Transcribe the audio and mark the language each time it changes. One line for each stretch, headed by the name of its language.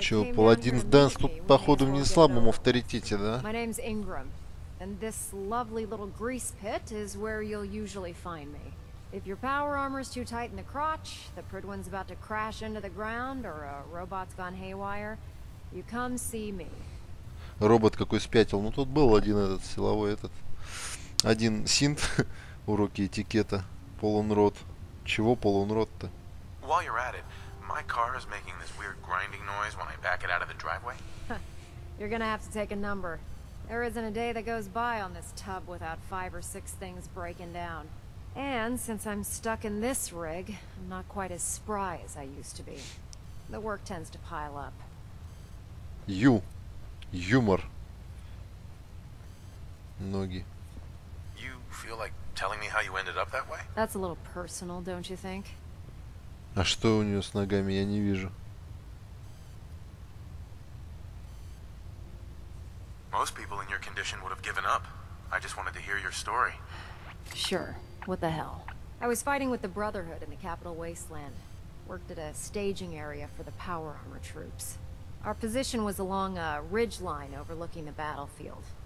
Russian: Че, Paladin Dance тут, походу, не слабом авторитете, да?
English: My name's Ingram, and this lovely little grease pit is where you'll usually find me. If your power armor's too tight in the crotch, the Pridwin's about to crash into the ground, or a robot's gone haywire, you come see me.
Russian: Робот какой спятил. Ну тут был один этот силовой этот. Один синт. Уроки этикета. Полон рот. Чего полон рот-то?
English: While you're at it, my car is making this weird grinding noise when I back it out of the driveway. You're gonna have to take a number. There isn't a day that goes by on this tub without five or six things breaking down. And since I'm stuck in this rig, I'm not quite as spry as I used to be. The work tends to pile up. You. Humor.
Russian: Ноги.
English: You feel like telling me how you ended up that way? That's a little personal, don't you think?
Russian: А что у нее с ногами, я не вижу.
English: Most people in your condition would have given up. I just wanted to hear your story. Sure. What the hell? I was fighting with the Brotherhood in the Capital Wasteland. Worked at a staging area for the Power Armor troops. Our position was along a ridge line overlooking the battlefield.